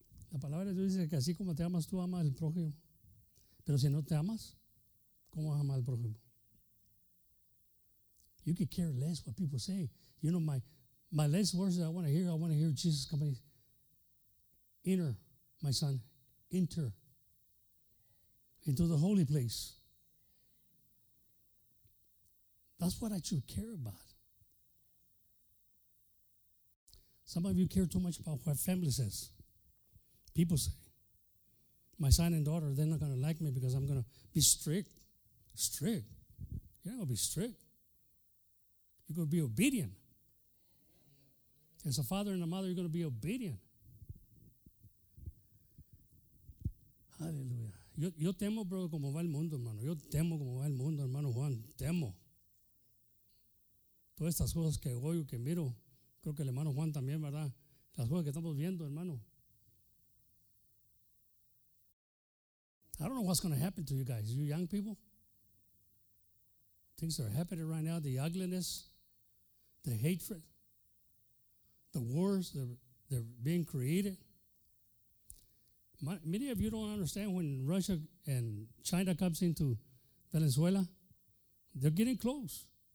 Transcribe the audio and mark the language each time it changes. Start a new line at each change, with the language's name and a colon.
Spanish: La palabra de Dios dice que así como te amas, tú amas al prójimo. Pero si no te amas, ¿cómo vas a amar al prójimo?
English: You could care less what people say. You know, my last words that I want to hear Jesus come in. Enter, my son, enter into the holy place. That's what I should care about. Some of you care too much about what family says. People say, my son and daughter, they're not going to like me because I'm going to be strict. Strict? You're not going to be strict. You're going to be obedient. As a father and a mother, you're going to be obedient. Hallelujah.
Spanish: Yo temo, bro, como va el mundo, hermano. Yo temo como va el mundo, hermano Juan. Temo. Todas estas cosas que oigo, que miro, creo que el hermano Juan también, ¿verdad? Las cosas que estamos viendo, hermano.
English: I don't know what's going to happen to you guys, you young people. Things are happening right now, the ugliness, the hatred, the wars that they're being created. Many of you don't understand when Russia and China comes into Venezuela, they're getting close.